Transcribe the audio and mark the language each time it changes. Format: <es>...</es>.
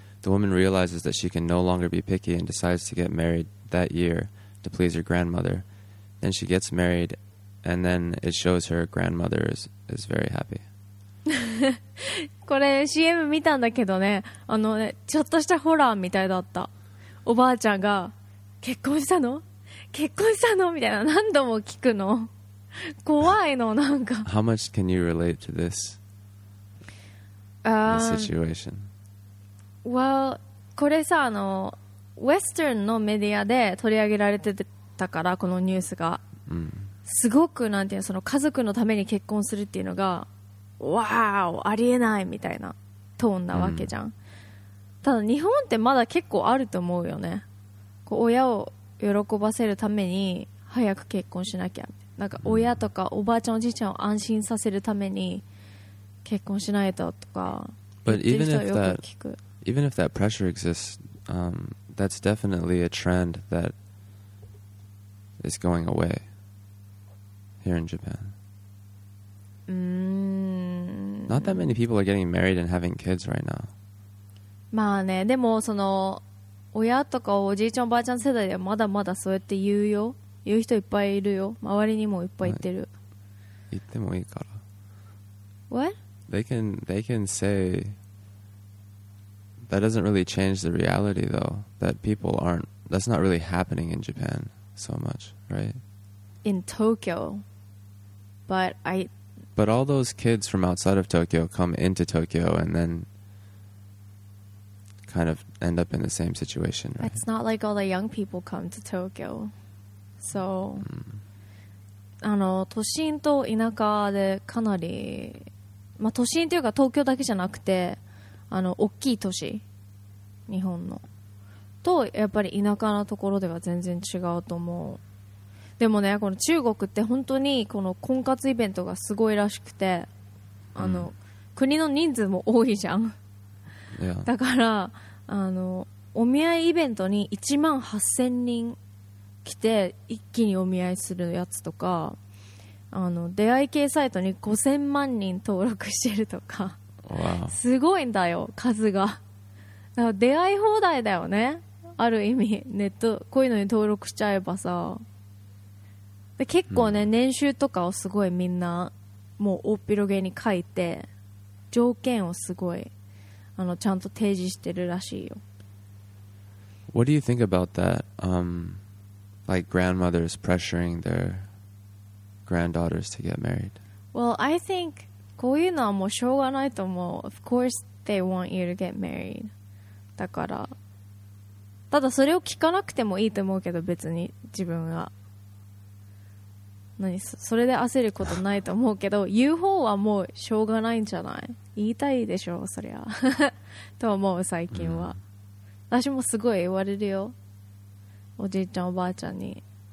<en>The woman realizes that she can no longer be picky and decides to get married that year to please her grandmother. Then she gets married, and then it shows her grandmother is very happy.</en> <ja>これ CM 見たんだけどね、あのね、ちょっとしたホラーみたいだった。おばあちゃんが結婚したの？結婚したの？みたいな何度も聞くの。怖いのなんか。</ja> <en>How much can you relate to this, situation? Well,</en> <ja>これさ、あのウェスターンのメディアで取り上げられてたから、このニュースが、うん、すごくなんていうの、その家族のために結婚するっていうのがわーお、ありえないみたいなトーンなわけじゃん、うん、ただ日本ってまだ結構あると思うよね。こう親を喜ばせるために早く結婚しなきゃ、なんか親とかおばあちゃんおじいちゃんを安心させるために結婚しないととか言ってる人はよく聞く。</ja> <en>Even if that pressure exists, that's definitely a trend that is going away here in Japan. Not that many people are getting married and having kids right now.</en> <ja>まあね、でもその親とかおじいちゃんおばあちゃん世代ではまだまだそうやって言うよ。言う人いっぱいいるよ。周りにもいっぱい言ってる。言ってもいいから。</ja> <en>What? They can say... That doesn't really change the reality, though, that people aren't... That's not really happening in Japan so much, right? In Tokyo. But I... But all those kids from outside of Tokyo come into Tokyo and then kind of end up in the same situation, right? It's not like all the young people come to Tokyo. So...</en> <ja>あの、都心と田舎でかなり、まあ、都心というか東京だけじゃなくて、あの大きい都市、日本のとやっぱり田舎のところでは全然違うと思う。でもね、この中国って本当にこの婚活イベントがすごいらしくて、あの、うん、国の人数も多いじゃん、だからあのお見合いイベントに1万8000人来て一気にお見合いするやつとか、あの出会い系サイトに5000万人登録してるとか。</ja> <en>Wow.</en> <ja>すごいんだよ数が。だから出会い放題だよね、ある意味。ネットこういうのに登録しちゃえばさ、で結構ね、年収とかをすごいみんなもう大広げに書いて、条件をすごいあのちゃんと提示してるらしいよ。</ja> <en>What do you think about that? Like grandmothers pressuring their granddaughters to get married? Well, I think</en> <ja>こういうのはもうしょうがないと思う。</ja> <en>Of course they want you to get married.</en> <ja>だからただそれを聞かなくてもいいと思うけど、別に自分が何それで焦ることないと思うけど、言う方はもうしょうがないんじゃない、言いたいでしょそりゃと思う。最近は私もすごい言われるよ、おじいちゃんおばあちゃんに。</ja>